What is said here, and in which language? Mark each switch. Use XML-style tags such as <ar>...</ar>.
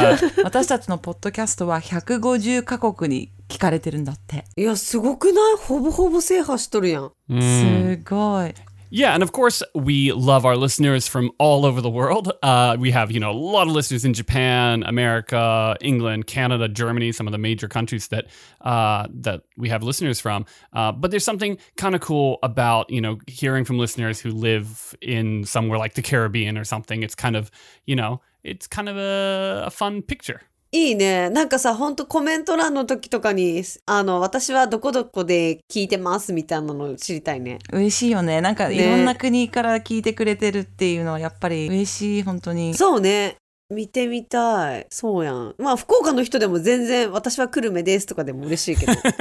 <ja>ははは。私たちのポッドキャストは150カ国に聞かれてるんだって。いや、すごくない？ほぼほぼ制覇しとるやん。すごい。</ja> <en>Yeah, and of course, we love our listeners from all over the world. We have, you know, a lot of listeners in Japan, America, England, Canada, Germany, some of the major countries that we have listeners from. But there's something kind of cool about, you know, hearing from listeners who live in somewhere like the Caribbean or something. It's kind of, you know, it's kind of a fun picture.</en> <ja>いいね。なんかさ、ほんとコメント欄の時とかに、あの、私はどこどこで聞いてますみたいなの知りたいね。嬉しいよね。なんかいろんな国から聞いてくれてるっていうのはやっぱり嬉しい、本当に。そうね。見てみたい。そうやん。まあ福岡の人でも全然私は久留米ですとかでも嬉しいけど。</ja>